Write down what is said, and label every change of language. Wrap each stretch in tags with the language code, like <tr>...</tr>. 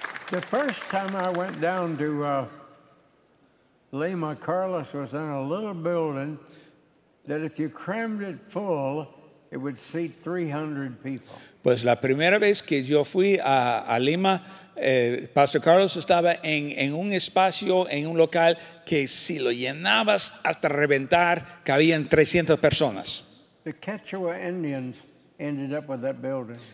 <en>The first time I went down to Lima, Carlos was in a little building that if you crammed it full, it would seat 300 people.</en> <es>Pues la primera vez que yo fui a Lima, Pastor Carlos estaba en un espacio, en un local que si lo llenabas hasta reventar, cabían 300 personas.</es> <en>The Quechua Indians ended up with that building.</en>